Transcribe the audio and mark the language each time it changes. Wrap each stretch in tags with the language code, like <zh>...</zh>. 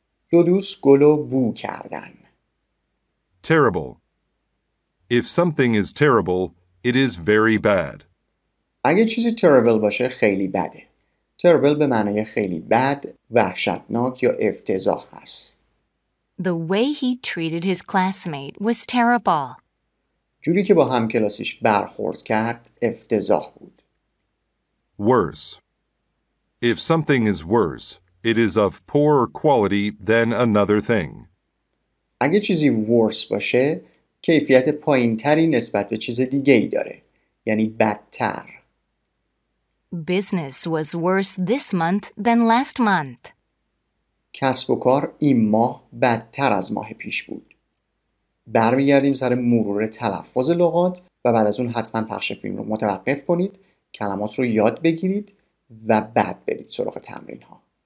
<fa>دو دوست گلو بو کردن.</fa> <en>Terrible. If something is terrible, it is very bad.</en> <fa>اگه چیزی terrible باشه خیلی بده. Terrible به معنی خیلی بد، وحشتناک یا افتضاح هست.</fa> <en>The way he treated his classmate was terrible.</en> <fa>جوری که با همکلاسیش برخورد کرد افتضاح بود.</fa> <en>Worse. If something is worse, it is of poorer quality than another thing.</en> <fa>اگه چیزی worse باشه، کیفیت پایین تری نسبت به چیز دیگه ای داره. یعنی بدتر.</fa> <en>Business was worse this month than last month.</en> <fa>کسب و کار این ماه بدتر از ماه پیش بود. برمیگردیم سر مرور تلفظ لغات و بعد از اون حتما پخش فیلم رو متوقف کنید، کلمات رو یاد بگیرید و بعد برید سراغ تمرین ها.</fa>